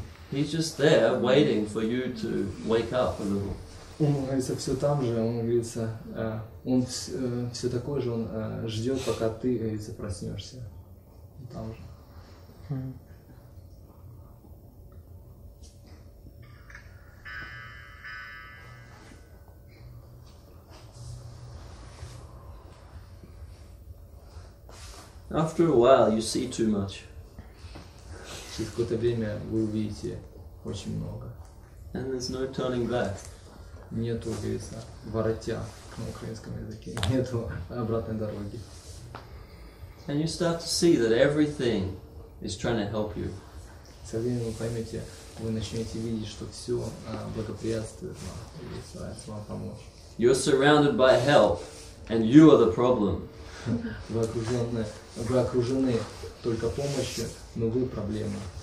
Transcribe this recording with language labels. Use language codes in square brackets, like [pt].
[en] He's just there waiting for you to wake up a little. [ru] Он говорится все там же, он говорится, он все такой же, он ждет, пока ты проснешься. Там же. [en] After a while, you see too much. [ru] Через какое-то время вы увидите очень много. [en] And there's no turning back. [ru] Нету, говорится, воротя на украинском языке. Нету обратной дороги. [en] And you start to see that everything is trying to help you. [ru] Со временем вы поймете, вы начнете видеть, что все благоприятствует вам, старается вам помочь. [en] You're surrounded by help, and you are the problem. [ru] Вы окружены только помощью, но вы проблема.